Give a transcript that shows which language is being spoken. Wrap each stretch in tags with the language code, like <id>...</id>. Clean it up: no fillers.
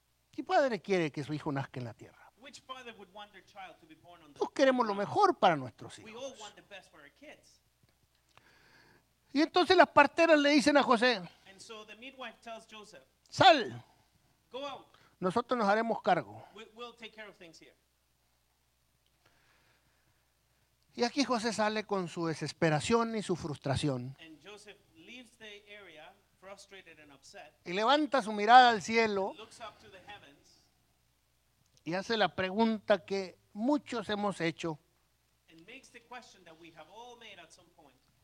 <es>¿Qué padre quiere que su hijo nazca en la tierra?</es> <en>Which father would want their child to be born on the earth?</en> <es>Todos queremos lo mejor para nuestros hijos.</es> <en>We all want the best for our kids.</en> <es>Y entonces las parteras le dicen a José,</es> <en>and so the midwife tells Joseph,</en> <es>sal.</es> <en>Go out.</en> <es>Nosotros nos haremos cargo.</es> <en>We'll take care of things here.</en> <es>Y aquí José sale con su desesperación y su frustración.</es> <en>And Joseph leaves the area frustrated and upset.</en> <es>Y levanta su mirada al cielo.</es> <en>Looks up to the heavens.</en> <es>Y hace la pregunta que muchos hemos hecho.</es> <en>And makes the question that we have all made at some point.</en>